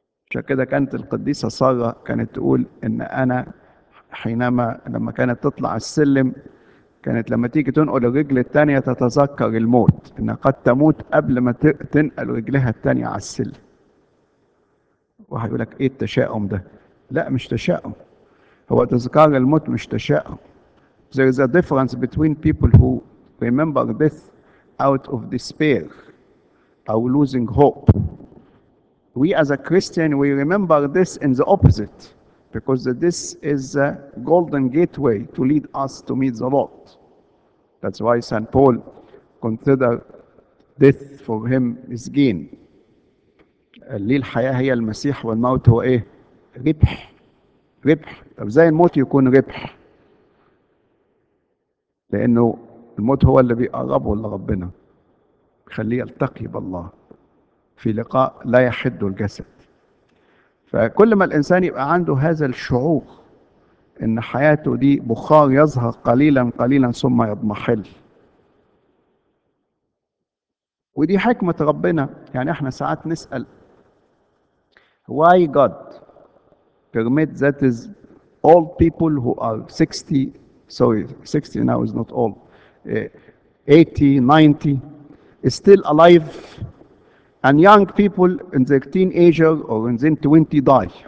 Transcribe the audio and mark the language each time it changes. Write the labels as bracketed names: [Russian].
[Arabic] عشان كده كانت القديسه ساره كانت تقول ان انا حينما لما كانت تطلع السلم، كانت لما تيجي تنقل الرجل الثانيه تتذكر الموت، ان قد تموت قبل ما تنقل رجلها الثانيه على السلم. واحد يقول لك ايه التشاؤم ده؟ لا، مش تشاؤم، هو تذكار الموت مش تشاؤم. [English] There is a difference between people who remember death out of despair or losing hope. We as a Christian, we remember this in the opposite, because this is a golden gateway to lead us to meet the Lord. That's why St. Paul considered death for him is gain. [Arabic] اللي الحياة هي المسيح والموت هو إيه؟ ربح. ربح. طب زي الموت يكون ربح؟ لأنه الموت هو اللي بيقربه لربنا، بيخليه يلتقي بالله في لقاء لا يحد الجسد. فكل ما الإنسان يبقى عنده هذا الشعور إن حياته دي بخار يظهر قليلا قليلا ثم يضمحل. ودي حكمة ربنا. يعني احنا ساعات نسأل [English] Why God permit that is all people who are 60 sorry 60 now is not old 80 90 is still alive and young people in their teenager or in their 20 die.